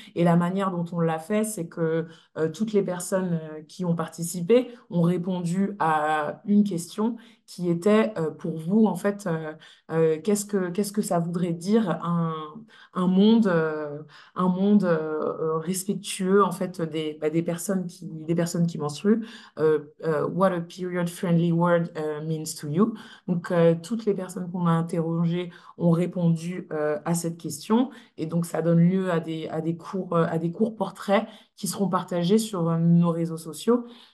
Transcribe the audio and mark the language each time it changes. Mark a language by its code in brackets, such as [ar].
[fr] Et la manière dont on l'a fait, c'est que toutes les personnes qui ont participé ont répondu à une question qui était pour vous, en fait, qu'est-ce que ça voudrait dire un monde respectueux, en fait, des personnes qui menstruent. [en] What a period-friendly world means to you. [fr] Donc, toutes les personnes qu'on a interrogées ont répondu à cette question. Et donc, ça donne lieu à des courts portraits qui seront partagés sur nos réseaux sociaux.